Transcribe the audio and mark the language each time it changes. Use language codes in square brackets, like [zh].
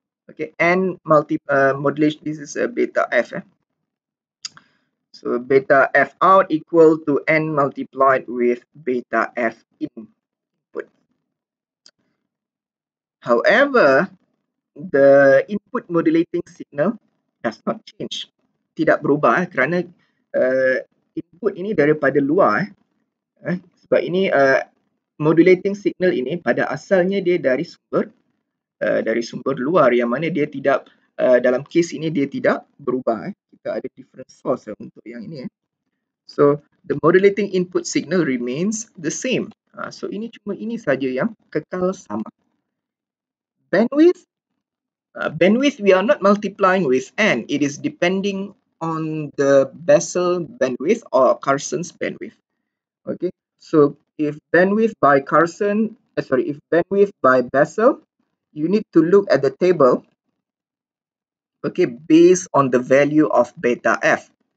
[en] Okay, n multi modulation, this is a beta F. Eh? So beta F out equal to n multiplied with beta F in input. However, the input modulating signal does not change. [ms] Tidak berubah kerana input ini daripada luar. Sebab ini modulating signal ini pada asalnya dia dari sumber luar, yang mana dia tidak, dalam kes ini dia tidak berubah. Kita ada different source untuk yang ini. [en] So the modulating input signal remains the same. [ms] So ini cuma ini saja yang kekal sama. [en] Bandwidth, bandwidth we are not multiplying with n. It is depending on the Bessel bandwidth or Carson's bandwidth. Okay, so if bandwidth by Carson, sorry, if bandwidth by Bessel, you need to look at the table, okay, based on the value of beta F.